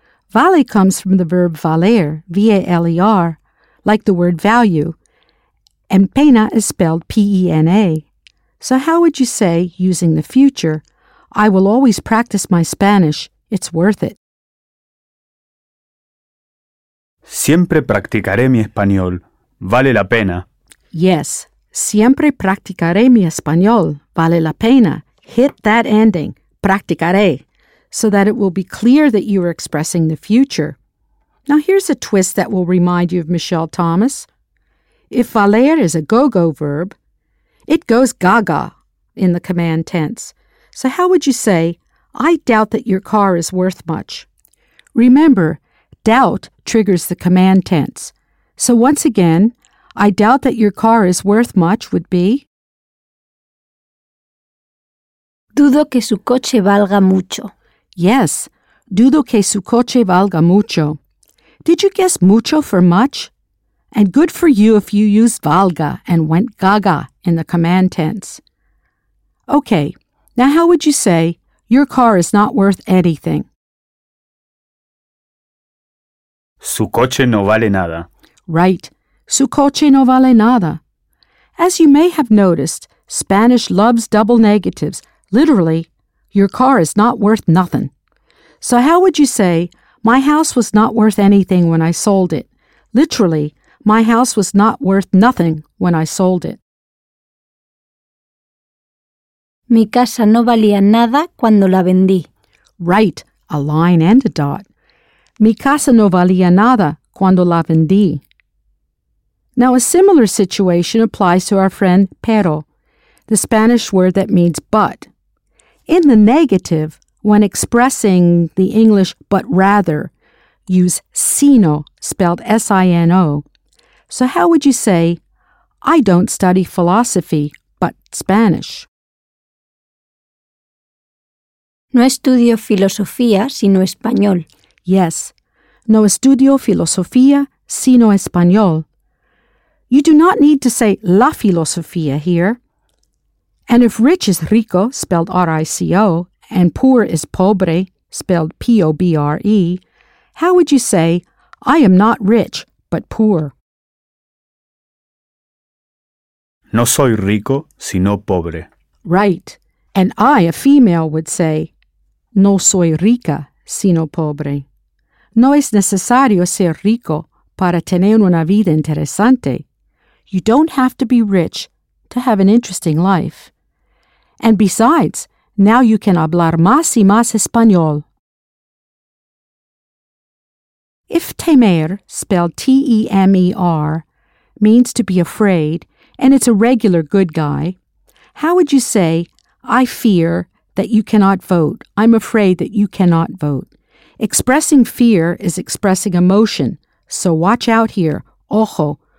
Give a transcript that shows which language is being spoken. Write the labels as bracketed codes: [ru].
[en] Vale comes from the verb valer, V-A-L-E-R, like the word value. And pena is spelled P-E-N-A. So how would you say, using the future, I will always practice my Spanish, it's worth it? [es] Siempre practicaré mi español, vale la pena. Yes, siempre practicaré mi español, vale la pena. [en] Hit that ending. Practicaré, so that it will be clear that you are expressing the future. Now here's a twist that will remind you of Michelle Thomas. If valer is a go-go verb, it goes gaga in the command tense. So how would you say, I doubt that your car is worth much? Remember, doubt triggers the command tense. So once again, I doubt that your car is worth much would be... [es] Dudo que su coche valga mucho. Yes, dudo que su coche valga mucho. [en] Did you guess mucho for much? And good for you if you used valga and went gaga in the command tense. Okay, now how would you say, your car is not worth anything? [es] Su coche no vale nada. Right. Su coche no vale nada. [en] As you may have noticed, Spanish loves double negatives. Literally, your car is not worth nothing. So how would you say, my house was not worth anything when I sold it? Literally, my house was not worth nothing when I sold it. [es] Mi casa no valía nada cuando la vendí. [en] Right. A line and a dot. [es] Mi casa no valía nada cuando la vendí. [en] Now, a similar situation applies to our friend pero, the Spanish word that means but. In the negative, when expressing the English but rather, use sino, spelled S-I-N-O. So how would you say, I don't study philosophy, but Spanish? [es] No estudio filosofía, sino español. [en] Yes. [es] No estudio filosofía, sino español. [en] You do not need to say la filosofía here. And if rich is rico, spelled R-I-C-O, and poor is pobre, spelled P-O-B-R-E, how would you say, I am not rich, but poor? [es] No soy rico, sino pobre. [en] Right. And I, a female, would say, [es] no soy rica, sino pobre. No es necesario ser rico para tener una vida interesante. [en] You don't have to be rich to have an interesting life. And besides, now you can [es] hablar más y más español. [en] If temer, spelled T-E-M-E-R, means to be afraid, and it's a regular good guy, how would you say, I fear that you cannot vote. I'm afraid that you cannot vote. Expressing fear is expressing emotion, so watch out here. Ojo.